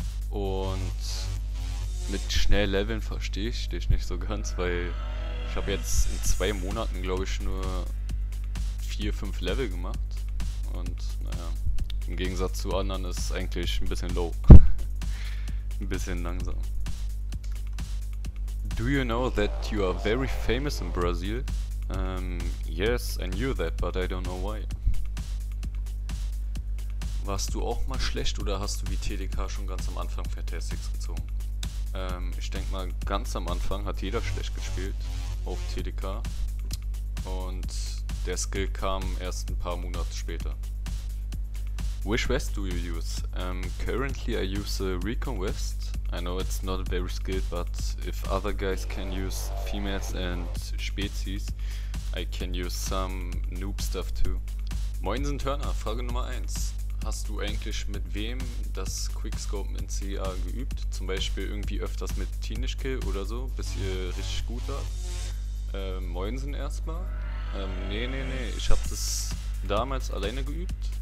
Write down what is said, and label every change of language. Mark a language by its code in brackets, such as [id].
[de] Und mit schnell leveln verstehe ich dich nicht so ganz, weil ich habe jetzt in 2 Monaten, glaube ich, nur 4-5 Level gemacht. Und naja, im Gegensatz zu anderen ist es eigentlich ein bisschen low. Ein bisschen langsam. [en] Do you know that you are very famous in Brazil? Yes, I knew that, but I don't know why. [de] Warst du auch mal schlecht oder hast du wie TDK schon ganz am Anfang Fantastics gezogen? Ich denke mal, ganz am Anfang hat jeder schlecht gespielt auf TDK. Und der Skill kam erst ein paar Monate später. [en] Which West do you use? Currently I use the Recon West. I know it's not very skilled, but if other guys can use females and species, I can use some noob stuff too. [de] Moinsen Turner, Frage Nummer 1. Hast du eigentlich mit wem das Quickscope in CA geübt? Zum Beispiel irgendwie öfters mit Teenage Kill oder so, bis ihr richtig gut wart? Moinsen erstmal. Nee. Ich hab das damals alleine geübt.